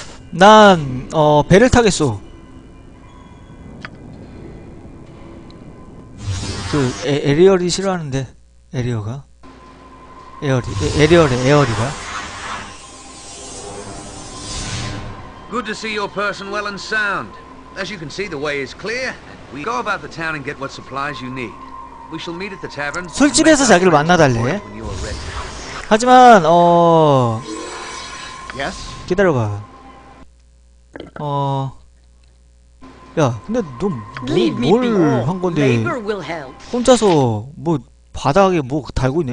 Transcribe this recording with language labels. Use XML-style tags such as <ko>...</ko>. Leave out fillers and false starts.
<ko>난 배를 타겠소. 그 에리얼이 싫어하는데 에리어가 에어리 에리얼의 에어리가.</ko> <en>Good to see your person well and sound. As you can see, the way is clear. We go about the town and get what supplies you need. We shall meet at the tavern.</en> <ko>술집에서 자기를 만나달래. 하지만</ko> <en>Yes.</en> <ko>기다려봐. 야, 근데 너 뭘 한 건데? 혼자서 뭐 바닥에 뭐 달고 있냐?</ko>